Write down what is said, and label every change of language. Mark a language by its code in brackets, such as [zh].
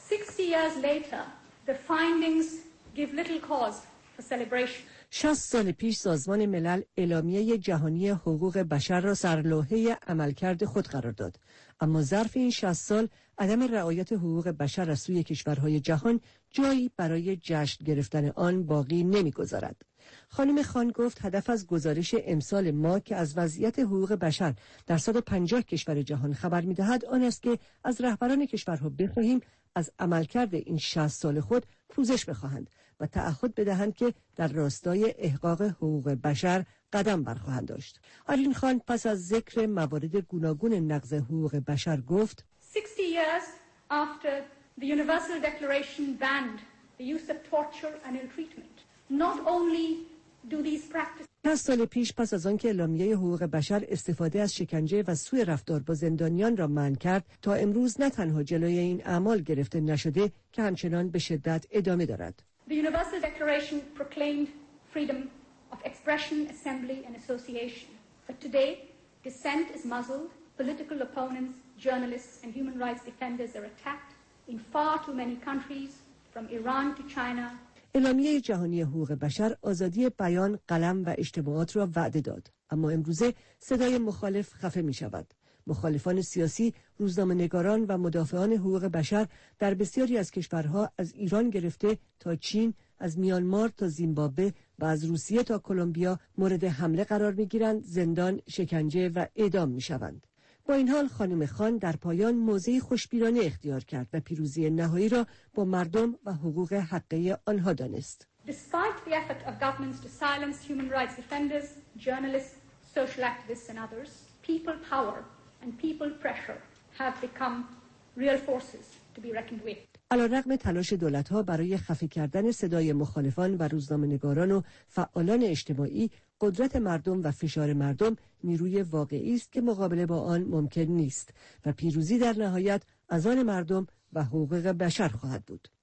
[en] 60 years later, the findings give little cause for celebration. [fa] 60 سال پیش سازمان ملل اعلامیه جهانی حقوق بشر را سرلوحه عملکرد خود قرار داد، اما ظرف این 60 سال عدم رعایت حقوق بشر از سوی کشورهای جهان جایی برای جشن گرفتن آن باقی نمی‌گذارد. خانم خان گفت هدف از گزارش امسال ما که از وضعیت حقوق بشر در 150 کشور جهان خبر می‌دهد آن است که از رهبران کشورها بخواهیم از عملکرد این 60 سال خود پوزش بخواهند و تعهد بدهند که در راستای احقاق حقوق بشر قدم برخواهند داشت. آلین خان پس از ذکر موارد گوناگون نقض حقوق بشر گفت: [en] 60 years after the Universal Declaration banned the use of torture and ill treatment. Not only do these practices [fa] 10 سال پیش پس از آنکه اعلامیه حقوق بشر استفاده از شکنجه و سوء رفتار با زندانیان را منع کرد، تا امروز نه تنها جلوی این اعمال گرفته نشده که همچنان به شدت ادامه دارد. [en] The Universal Declaration proclaimed freedom of expression, assembly and association. But today, dissent is muzzled, political opponents, journalists and human rights defenders are attacked in far too many countries, from Iran to China. [fa] اعلامیه جهانی حقوق بشر آزادی بیان، قلم و اشتباهات را وعده داد، اما امروزه صدای مخالف خفه می شود. مخالفان سیاسی، روزنامه نگاران و مدافعان حقوق بشر در بسیاری از کشورها، از ایران گرفته تا چین، از میانمار تا زیمبابوه و از روسیه تا کولومبیا مورد حمله قرار می گیرند، زندان، شکنجه و اعدام می شوند. با این حال خانم خان در پایان موضعی خوشبینانه اختیار کرد و پیروزی نهایی را با مردم و حقوق حقه آنها دانست. [en] Despite the effort of governments to silence human rights defenders, journalists, social activists and others, people power and people pressure have become real forces to be reckoned with. [fa] علی‌رغم تلاش دولت‌ها برای خفه کردن صدای مخالفان و روزنامه‌نگاران و فعالان اجتماعی، قدرت مردم و فشار مردم نیروی واقعی است که مقابله با آن ممکن نیست و پیروزی در نهایت از آن مردم و حقوق بشر خواهد بود.